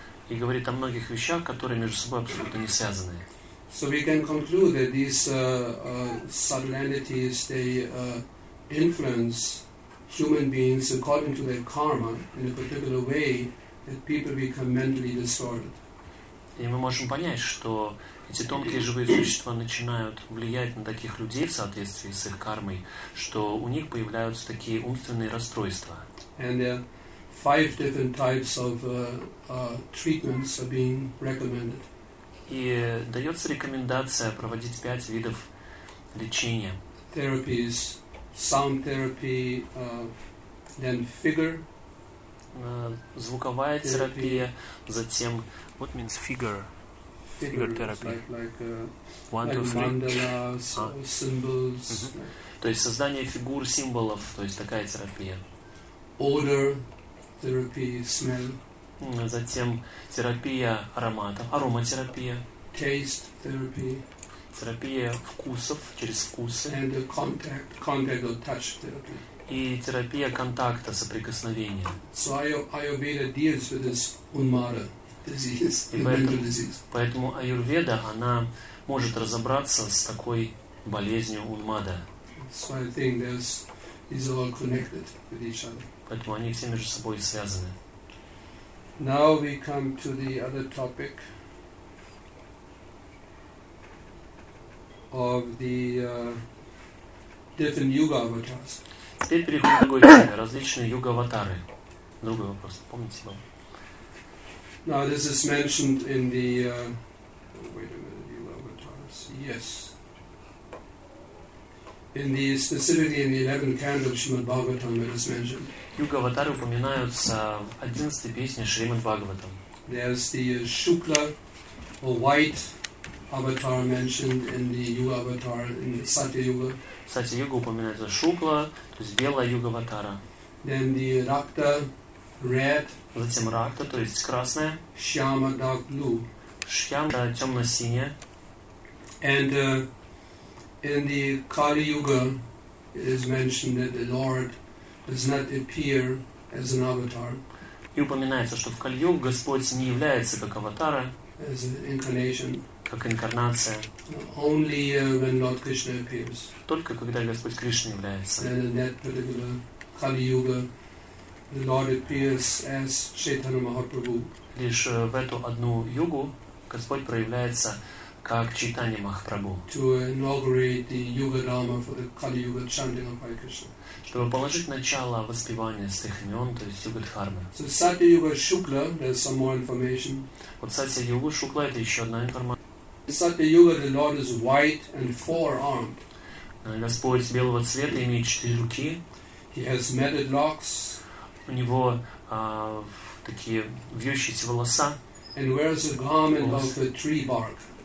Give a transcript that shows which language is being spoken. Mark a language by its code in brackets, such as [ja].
[ru] И говорит о многих вещах, которые между собой абсолютно не связаны. [en] So we can conclude that these subtle entities they influence human beings according to their karma in a particular way that people become mentally disordered. [ru] И мы можем понять, что эти тонкие живые существа начинают влиять на таких людей в соответствии с их кармой, что у них появляются такие умственные расстройства. [en] And there are five different types of treatments are being recommended. [ru] И дается рекомендация проводить пять видов лечения. [en] Therapies, sound therapy, then figure. [ru] Звуковая терапия, затем [en] what means figure? Figure therapy. Symbols. [ru] То есть создание фигур, символов, то есть такая терапия. [en] Odor therapy, smell. [ru] Затем терапия ароматов, ароматерапия. [en] Taste therapy. [ru] Терапия вкусов, через вкусы. [en] And contact or touch therapy. [ru] И терапия контакта, соприкосновения. [en] So Ayurveda deals with this Unmada disease, mental disease. [ru] Поэтому Аюрведа, она может разобраться с такой болезнью Унмада. [en] So I think these are all connected with each other. [ru] Поэтому они все между собой связаны. [en] Now we come to the other topic of the different yuga avatars. [ru] Теперь переходим к другой теме. Различные юга-аватары. Другой вопрос. Помните его? [en] Now this is mentioned in the... wait a minute, yuga-аватары. Yes. specifically in the 11th canto of Srimad Bhagavatam it is mentioned. [ru] Юга аватары упоминаются в 11-й песне Шримад Бхагаватам. [en] There's the Shukla or white avatar mentioned in the Yuga avatar in Satya Yuga. [ru] Satya Yuga упоминается Шукла, то есть белая Юга аватара. [en] Then the Rakta, red. [ru] Затем Ракта, то есть красная. [en] Shyama, dark blue. [ru] Shyama, темно-синяя. [en] And in the Kali Yuga it is mentioned that the Lord does not appear as an avatar. [ru] И упоминается, что в Кали-Юге Господь не является как аватара, [en] as an incarnation, [ru] как инкарнация. [en] Only when Lord Krishna appears. [ru] Только когда Господь Кришна является. [en] And in that particular Kali-Yuga, the Lord appears as Chaitanya Mahaprabhu. [ru] Лишь в эту одну югу Господь проявляется как Чайтанья Махапрабху. [en] To inaugurate the Yuga Dharma for the Kali-Yuga chanting of Hare Krishna. [ru] Чтобы положить начало воспевания святых имен, то есть Юга-Дхармы. [en] So, Satya-Yuga Shukla, there's some more information. [ru] Вот Satya-Yuga Shukla, это еще одна информация. [en] Satya-Yuga, the Lord is white and four-armed. [ru] Господь белого цвета, имеет четыре руки. [en] He has matted locks. [ru] У него такие вьющиеся волоса. [en] And wears a garment of a tree bark.